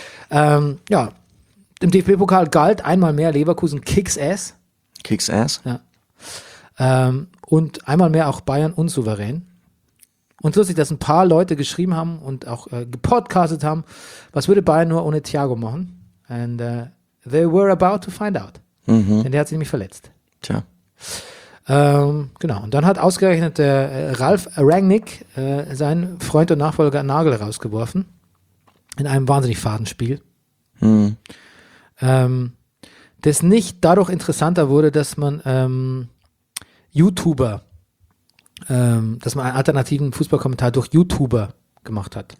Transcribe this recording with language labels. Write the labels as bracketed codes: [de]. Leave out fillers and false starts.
[de] Ja, im DFB-Pokal galt einmal mehr Leverkusen [en] Kicks Ass. Kicks Ass? [de] Ja. Und einmal mehr auch Bayern unsouverän. Und lustig, dass ein paar Leute geschrieben haben und auch gepodcastet haben, was würde Bayern nur ohne Thiago machen? [en] And they were about to find out. Mhm. [de] Denn der hat sich nämlich verletzt. Tja. Genau, und dann hat ausgerechnet der Ralf Rangnick seinen Freund und Nachfolger Nagel rausgeworfen. In einem wahnsinnig faden Spiel. Hm. Das nicht dadurch interessanter wurde, dass man YouTuber, dass man einen alternativen Fußballkommentar durch YouTuber gemacht hat.